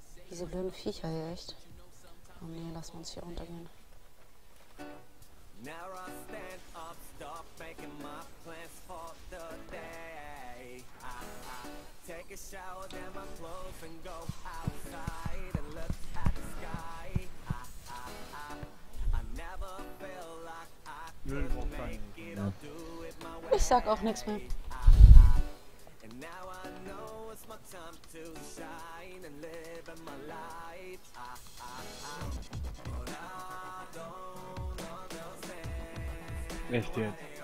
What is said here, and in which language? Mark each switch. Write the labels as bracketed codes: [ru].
[de] Diese blöden Viecher hier, echt. Oh nee, lass uns hier runtergehen. [en] Now I stand up, stop making my plans for the day. I take a shower, then my clothes and go outside and look at the sky. I never feel like I could make it or do it my way. [de] Ich sag auch nichts mehr. Echt jetzt?